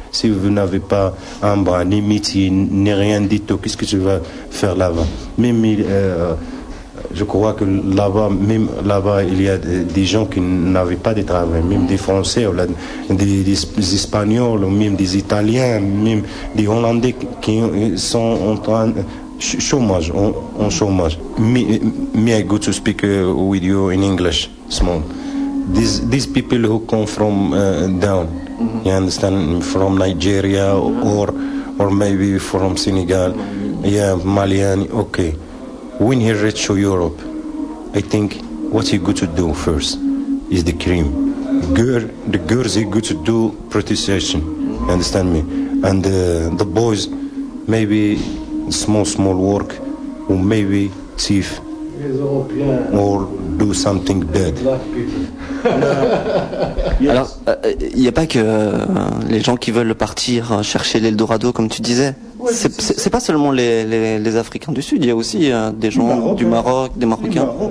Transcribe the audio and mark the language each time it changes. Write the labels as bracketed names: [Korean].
[French] Si vous n'avez pas un bras, ni métier, ni rien du tout, qu'est-ce que tu vas faire là-bas? Même, je crois que là-bas, même là-bas, il y a des gens qui n'avaient pas de travail, même des Français, ou là, des Espagnols, ou même des Italiens, même des Hollandais qui sont en train... chômage, on chômage. [English] Me I go to speak with you in English, small. These people who come from down, mm-hmm. You understand, from Nigeria, mm-hmm. or maybe from Senegal, mm-hmm. Yeah, Malian, okay. When he reach Europe, I think what he go to do first is the crime. The girls he go to do prostitution, mm-hmm. Understand me? And the boys, maybe small work, or maybe thief, or do something bad. [French] Alors, il n'y a pas que les gens qui veulent partir chercher l'Eldorado, comme tu disais. C'est pas seulement les Africains du Sud, il y a aussi des gens du Maroc, des Marocains.